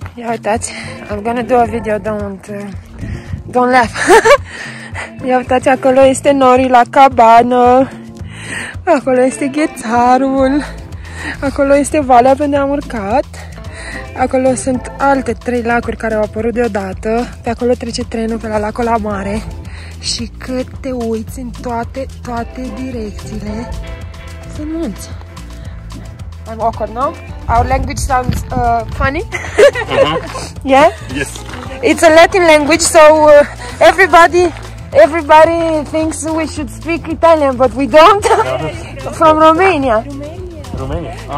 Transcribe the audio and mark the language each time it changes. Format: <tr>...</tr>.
<ro>Uitați,</ro> <en>I'm gonna do a video, don't laugh.</en> <ro>Ia uitați, acolo este Nori la cabană. Acolo este ghețarul. Acolo este valea pe unde am urcat. Acolo sunt alte trei lacuri care au apărut deodată. Pe acolo trece trenul pe la lacul la mare. Și cât te uiți în toate direcțiile, sunt munți.</ro> <en>I'm awkward, no? Our language sounds funny. Uh-huh. Yeah? Yes. It's a Latin language, so everybody thinks we should speak Italian, but we don't. From Romania. Romania. Romanian.</en>